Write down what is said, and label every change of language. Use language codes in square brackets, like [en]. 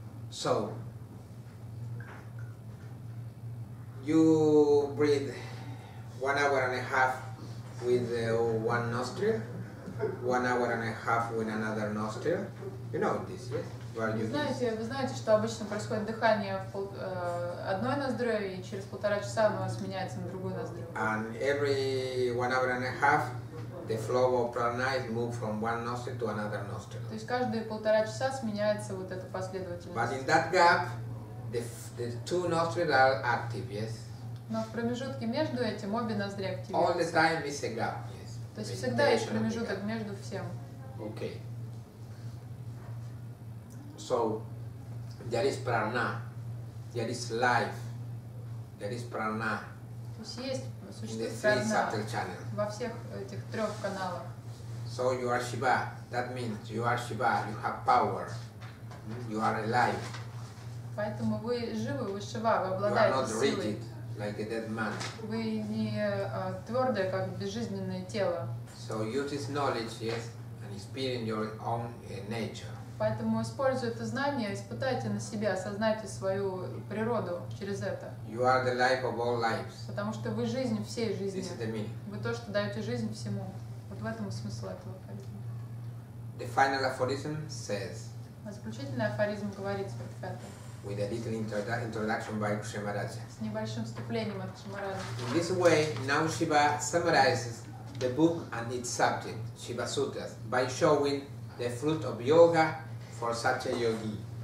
[en] So you breathe 1.5 hours with one nostril, 1.5 hours with another nostril. You know this, yes? [ru] Вы знаете, что обычно происходит дыхание в одной ноздре, и через полтора часа оно сменяется на другую ноздрю. [en] And every 1.5 hours, the flow of pranayama moves from one nostril to another nostril. [ru] То есть каждые полтора часа сменяется вот эта последовательность. [en] But in that gap, the two nostrils are active, yes? [ru] Но в промежутке между этим обе ноздри активируются. [en] All the time is a gap, yes. [ru] То есть всегда есть промежуток между всем. [en] Okay. So there is prana, there is life, there is prana. [ru] То есть существует [en] prana. The three [ru] во всех этих трех каналах. [en] So you are Shiva. That means you are Shiva. You have power. You are alive. [ru] Поэтому вы живы, вы Шива, вы обладаете силой. [en] You are not rigid, like a dead man. [ru] Вы не твердое, как безжизненное тело. [en] So use this knowledge, yes, and experience your own nature. [ru] Поэтому используя это знание, испытайте на себе, осознайте свою природу через это. [en] You are the life of all lives. [ru] Потому что вы жизнь всей жизни. [en] This is the meaning. [ru] Вы то, что даете жизнь всему. Вот в этом смысл этого поэтому. [en] The final aphorism says. [ru] А заключительный афоризм говорит 45. [en] With a little introduction by Kshemaraja. [ru] С небольшим вступлением от Кшемараджи. [en] In this way, now Shiva summarizes the book and its subject, Shiva Sutras, by showing the fruit of yoga for such a yogi.